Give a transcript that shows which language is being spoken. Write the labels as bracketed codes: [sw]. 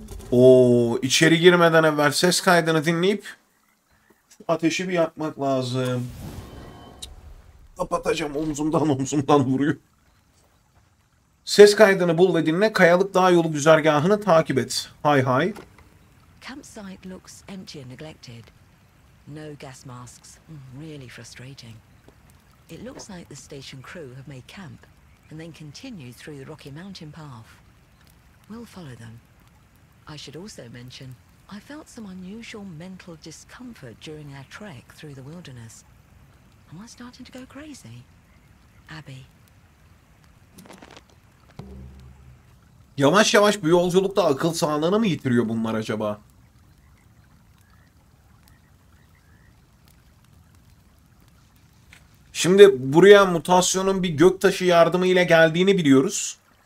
[tr] Oo, içeri girmeden evvel ses kaydını dinleyip ateşi bir yakmak lazım. Kapatacağım, omzumdan vuruyor. Ses kaydını bul ve dinle. Kayalık Dağ Yolu güzergahını takip et. Hay hay. [en] Campsite looks empty and neglected. No gas masks. Really frustrating. It looks like the station crew have made camp and then continued through the Rocky Mountain path. We'll follow them. I should also mention, I felt some unusual mental discomfort during our trek through the wilderness. Am I starting to go crazy? Abby. [tr] Yavaş yavaş bu yolculukta akıl sağlığını mı yitiriyor bunlar acaba? Şimdi buraya mutasyonun bir göktaşı yardımıyla geldiğini biliyoruz.